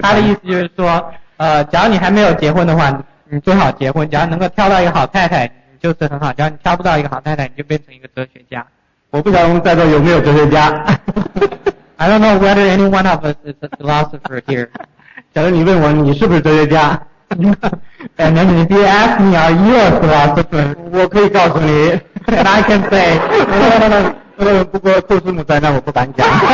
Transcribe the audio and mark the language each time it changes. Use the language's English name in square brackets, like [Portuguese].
[Chinese] 他的意思就是说，假如你还没有结婚的话，你最好结婚；假如能够挑到一个好太太，你就是很好；假如你挑不到一个好太太，你就变成一个哲学家。我不晓得我们在座有没有哲学家。 [English] I don't know whether any one of us is a philosopher here. [Chinese] 假如你问我你是不是哲学家 [English] ，And then if you ask me, are you a philosopher? [Chinese] 我可以告诉你 [English] ，And I can say, [Chinese] 不过杜师母在那，我不敢讲。